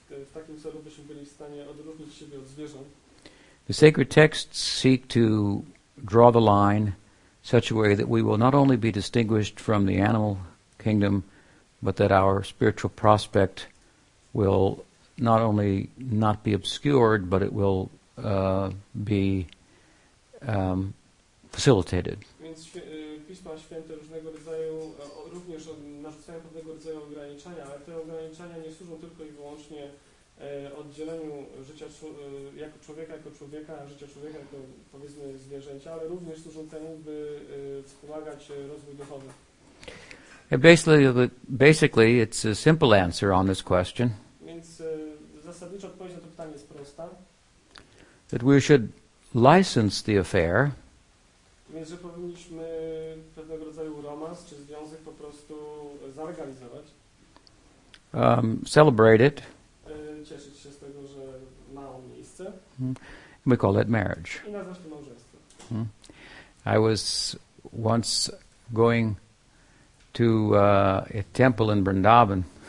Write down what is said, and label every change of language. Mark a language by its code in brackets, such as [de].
[pl] w takim celu byśmy byli w stanie odróżnić siebie od zwierząt. [en] The sacred texts seek to draw the line such a way that we will not only be distinguished from the animal kingdom, but that our spiritual prospect will not only not be obscured, but it will be facilitated. [pl] Więc Pisma Święte różnego rodzaju również narzucają pewnego rodzaju ograniczenia, ale te ograniczenia nie służą tylko i wyłącznie oddzieleniu życia jako człowieka, życia człowieka jako, powiedzmy, zwierzęcia, ale również służą temu, by wspomagać rozwój duchowy. [en] Basically, it's a simple answer on this question. [pl] Więc zasadnicza odpowiedź na to pytanie jest prosta. [en] That we should license the affair. [pl] Więc że powinniśmy pewnego rodzaju romans czy związek po prostu zalegalizować. [en] Celebrate it. [pl] Cieszyć się z tego, że ma on miejsce. miejsce. [en] We call that marriage. [pl] I nazywa się to małżeństwo. [en] I was once going to a temple in Vrindavan.